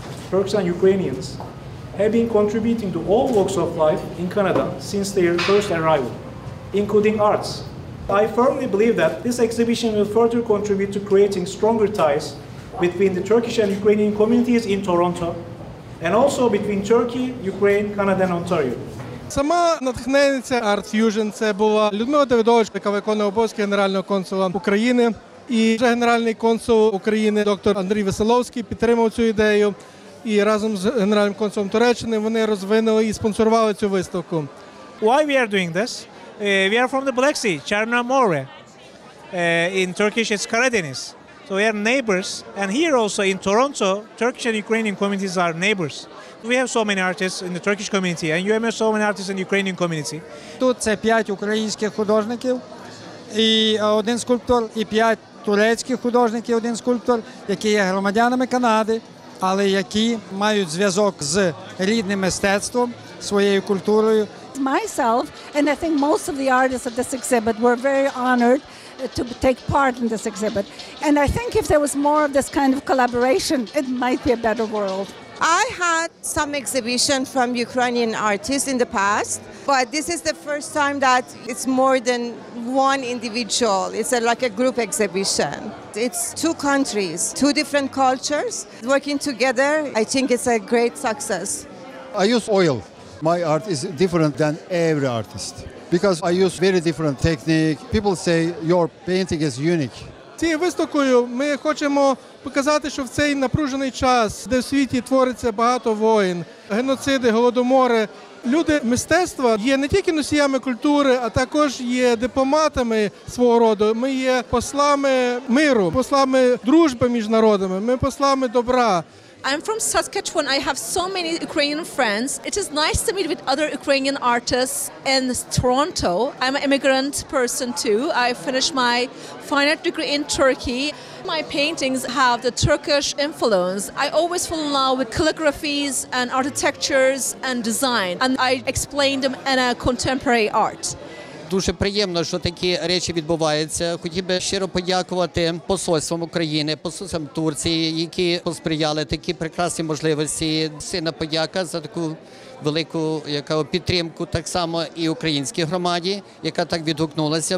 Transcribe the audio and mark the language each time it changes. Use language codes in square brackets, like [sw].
[en] Turks and Ukrainians have been contributing to all walks of life in Canada since their first arrival, including arts. I firmly believe that this exhibition will further contribute to creating stronger ties between the Turkish and Ukrainian communities in Toronto, and also between Turkey, Ukraine, Canada and Ontario. [uk] Сама натхненниця Art Fusion – це була Людмила Давидович, яка виконує обов'язки Генерального консула України. І вже генеральний консул України доктор Андрій Веселовський підтримав цю ідею. І разом з генеральним консулом Туреччини вони розвинули і спонсорували цю виставку. [en] Why we are doing this? We are from the Black Sea, Черноморе. In Turkish it's Karadeniz. So we are neighbors. And here also in Toronto, Turkish and Ukrainian communities are neighbors. We have so many artists in the Turkish community, and you have so many artists in the Ukrainian community. [uk] Тут це 5 українських художників, і один скульптор, і 5 турецьких художників, один скульптор, які є громадянами Канади, але які мають зв'язок з рідним мистецтвом, своєю культурою. [en] Myself, and I think most of the artists of this exhibit were very honored to take part in this exhibit. And I think if there was more of this kind of collaboration, it might be a better world. I had some exhibition from Ukrainian artists in the past, but this is the first time that it's more than one individual. It's like a group exhibition. It's two countries, two different cultures working together. I think it's a great success. I use oil. My art is different than every artist because I use very different technique. People say your painting is unique. [uk] Цією виставкою ми хочемо показати, що в цей напружений час, де в світі твориться багато воїн, геноциди, голодомори, люди мистецтва є не тільки носіями культури, а також є дипломатами свого роду. Ми є послами миру, послами дружби між народами, ми послами добра. [en] I'm from Saskatchewan. I have so many Ukrainian friends. It is nice to meet with other Ukrainian artists in Toronto. I'm an immigrant person too. I finished my fine art degree in Turkey. My paintings have the Turkish influence. I always fall in love with calligraphies and architectures and design, and I explain them in a contemporary art. [uk] Дуже приємно, що такі речі відбуваються. Хотів би щиро подякувати посольствам України, посольствам Турції, які посприяли такі прекрасні можливості. Сильна подяка за таку велику підтримку так само і українській громаді, яка так відгукнулася.